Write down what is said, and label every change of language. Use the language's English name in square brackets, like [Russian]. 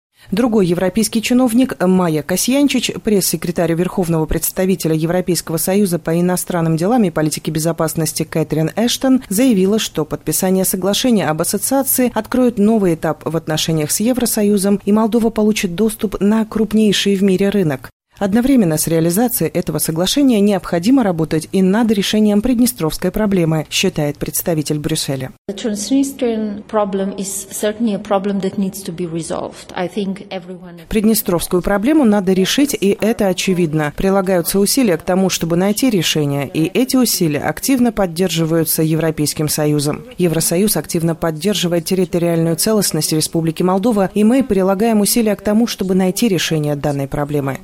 [Russian] Другой европейский чиновник Майя Касьянчич, пресс-секретарь Верховного представителя Европейского союза по иностранным делам и политике безопасности Кэтрин Эштон, заявила, что подписание соглашения об ассоциации откроет новый этап в отношениях с Евросоюзом, и Молдова получит доступ на крупнейший в мире рынок. Одновременно с реализацией этого соглашения необходимо работать и над решением приднестровской проблемы, считает представитель Брюсселя. [English] The Transnistrian problem is certainly a problem that needs to be resolved. I think everyone. [Russian] Приднестровскую проблему надо решить, и это очевидно. Прилагаются усилия к тому, чтобы найти решение, и эти усилия активно поддерживаются Европейским Союзом. Евросоюз активно поддерживает территориальную целостность Республики Молдова, и мы прилагаем усилия к тому, чтобы найти решение данной проблемы.